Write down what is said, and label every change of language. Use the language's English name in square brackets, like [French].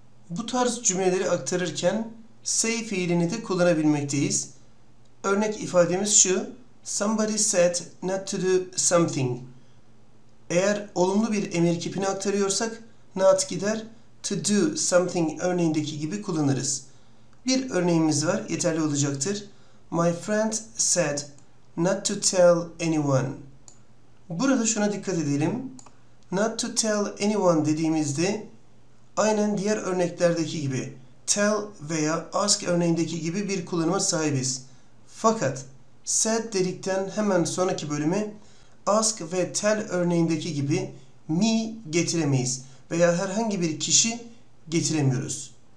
[Turkish] Bu tarz cümleleri aktarırken say fiilini de kullanabilmekteyiz. [English] Örnek ifademiz şu: Somebody said not to do something. [Turkish] Eğer olumlu bir emir kipini aktarıyorsak not gider, [English] to do something [Turkish] örneğindeki gibi kullanırız. Bir örneğimiz var, yeterli olacaktır. [English] My friend said not to tell anyone. [Turkish] Burada şuna dikkat edelim. [English] Not to tell anyone [Turkish] dediğimizde aynen diğer örneklerdeki gibi tell veya ask örneğindeki gibi bir kullanıma sahibiz. Fakat said dedikten hemen sonraki bölümü ask ve tell örneğindeki gibi me getiremeyiz veya herhangi bir kişi getiremiyoruz.